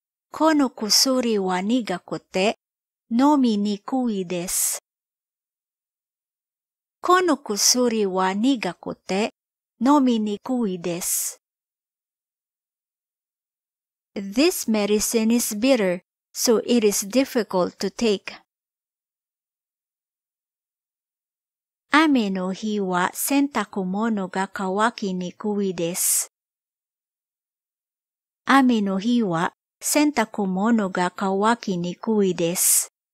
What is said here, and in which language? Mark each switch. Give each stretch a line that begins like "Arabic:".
Japanese: この薬は苦くて飲みにくいです。この薬は苦くて飲みにくいです。
English: This medicine is bitter, so it is difficult to take.
Japanese: 雨の日は洗濯物が乾きにくいです。雨の日は洗濯物が乾きにくいです。